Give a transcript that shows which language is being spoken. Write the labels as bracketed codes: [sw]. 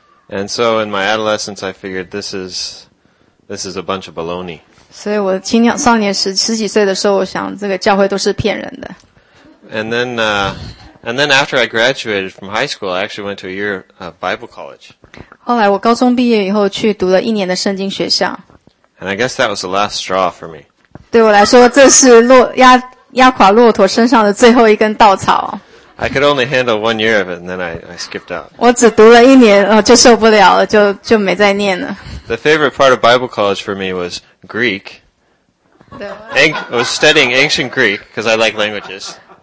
[en] And so in my adolescence, I figured this is a bunch of baloney. [zh] 所以我青少年十几岁的时候，我想这个教会都是骗人的。 [en] And then after I graduated from high school, I actually went to a year of Bible college. [zh] 后来我高中毕业以后去读了一年的圣经学校。 [en] And I guess that was the last straw for me. [zh] 对我来说，这是压垮骆驼身上的最后一根稻草。 [en] I could only handle 1 year of it, and then I skipped out. [zh] 我只读了一年，就受不了了，就没再念了。 [en] The favorite part of Bible college for me was Greek. I was studying ancient Greek because I like languages.